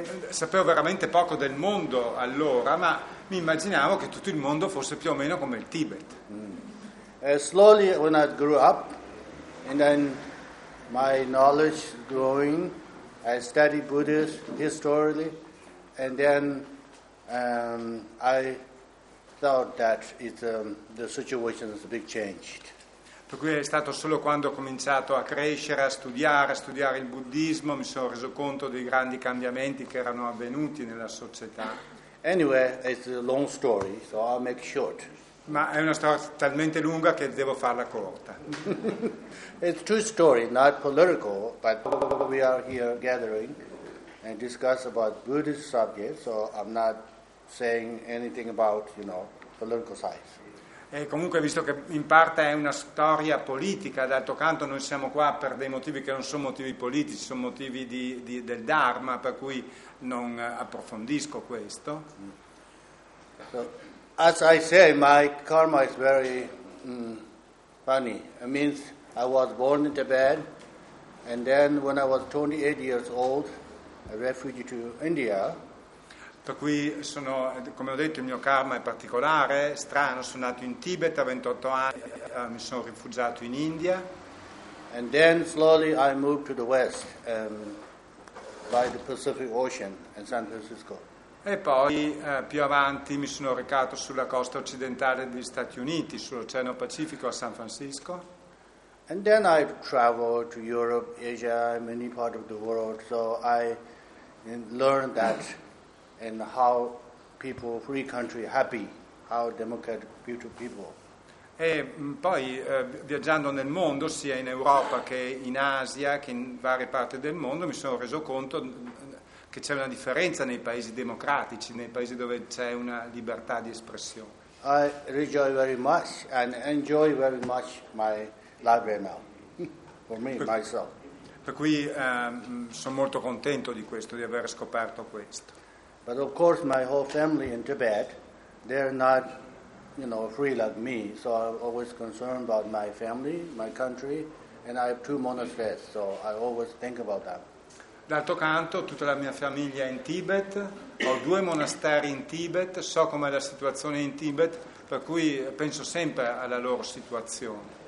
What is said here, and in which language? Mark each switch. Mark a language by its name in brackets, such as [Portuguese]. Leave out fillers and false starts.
[Italian] Sapevo veramente poco del mondo allora, ma mi immaginavo che tutto il mondo fosse più o meno come il Tibet. [English] Slowly when I grew up, and then my knowledge growing, I studied Buddhist historically, and then I thought that the situation is a big change. [Italian] Per cui è stato solo quando ho cominciato a crescere, a studiare il buddismo, mi sono reso conto dei grandi cambiamenti che erano avvenuti nella società. [English] Anyway, it's a long story, so I'll make it short. [Italian] Ma è una storia talmente lunga che devo farla corta. [English] It's a true story, not political, but we are here gathering and discuss about Buddhist subjects, so I'm not saying anything about, you know, political sides. [Italian] E comunque, visto che in parte è una storia politica, d'altro canto noi siamo qua per dei motivi che non sono motivi politici, sono motivi del Dharma, per cui non approfondisco questo. [English] So, as I say, my karma is very funny. It means I was born in Tibet, and then when I was 28 years old, I refugee to India. [Italian] Per cui sono, come ho detto, il mio karma è particolare, strano, sono nato in Tibet a 28 anni, mi sono rifugiato in India. [English] And then slowly I moved to the west, by the Pacific Ocean in San Francisco. [Italian] E poi più avanti mi sono recato sulla costa occidentale degli Stati Uniti, sull'Oceano Pacifico a San Francisco. [English] And then I traveled to Europe, Asia, many parts of the world, so I learned that and how people, free country, happy, how democratic, beautiful people. [Italian] E poi viaggiando nel mondo, sia in Europa che in Asia, che in varie parti del mondo, mi sono reso conto che c'è una differenza nei paesi democratici, nei paesi dove c'è una libertà di espressione. [English] I rejoice very much and enjoy very much my life right now, for me, myself. [Italian] Per cui sono molto contento di questo, di aver scoperto questo. [English] But of course my whole family in Tibet, they're not, you know, free like me, so I'm always concerned about my family, my country, and I have two monasteries, so I always think about that. [Italian] D'altro canto, tutta la mia famiglia è in Tibet, ho due monasteri in Tibet, so com'è la situazione in Tibet, per cui penso sempre alla loro situazione.